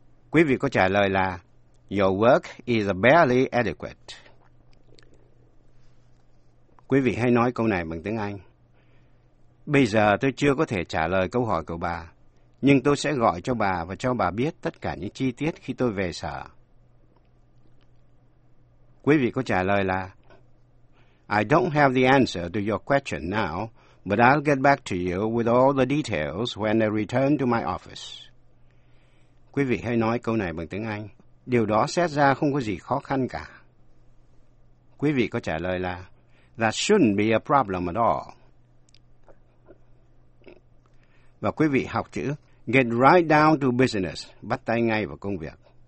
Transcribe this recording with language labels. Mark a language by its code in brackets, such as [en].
[vi] Quý vị có trả lời là [en] Your work is barely adequate. [vi] Quý vị hãy nói câu này bằng tiếng Anh. Bây giờ tôi chưa có thể trả lời câu hỏi của bà, nhưng tôi sẽ gọi cho bà và cho bà biết tất cả những chi tiết khi tôi về sở. Quý vị có trả lời là [en] I don't have the answer to your question now, but I'll get back to you with all the details when I return to my office. [vi] Quý vị hãy nói câu này bằng tiếng Anh. Điều đó xét ra không có gì khó khăn cả. Quý vị có trả lời là [en] That shouldn't be a problem at all. [vi] Và quý vị học chữ [en] Get right down to business, [vi] bắt tay ngay vào công việc.